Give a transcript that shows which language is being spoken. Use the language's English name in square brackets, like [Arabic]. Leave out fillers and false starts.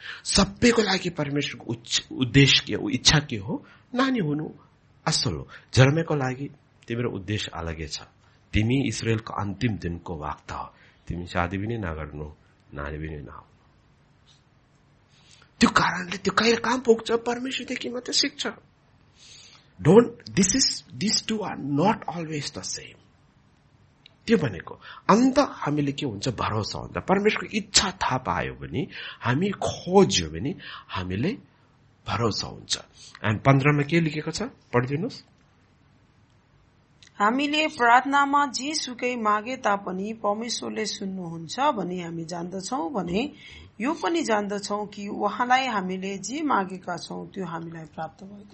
[Nepali] सबैको लागि परमेश्वरको उद्देश्य के, इच्छा के हो, नानी हुनु असल हो। जर्मेको लागि तिम्रो उद्देश्य अलगै छ, तिमी इसरायलको अन्तिम दिनको वक्ता हो, तिमी शादी पनि नगर्नु, नानी पनि नहुनु। त्यो कारणले त्यो कहिले कहाँ पुग्छ, परमेश्वरदेखि मात्रै सिक्छ। [English] Don't, this is, this two are not always the same. [Nepali] त्यो भनेको अन्त हामीले के हुन्छ, भरोसा हुन्छ। परमेश्वरको इच्छा थाहा पायो भने, हामी खोज्यो भने हामीले भरोसा हुन्छ। एन्ड 15 के लेखेको छ पढिदिनुहोस्, हामीले प्रार्थनामा जे सुकै मागे तापनि परमेश्वरले सुन्नुहुन्छ भने हामी जान्दछौ भने, यो पनि जान्दछौ कि उहाँलाई हामीले जे मागेका छौ त्यो हामीलाई प्राप्त भएको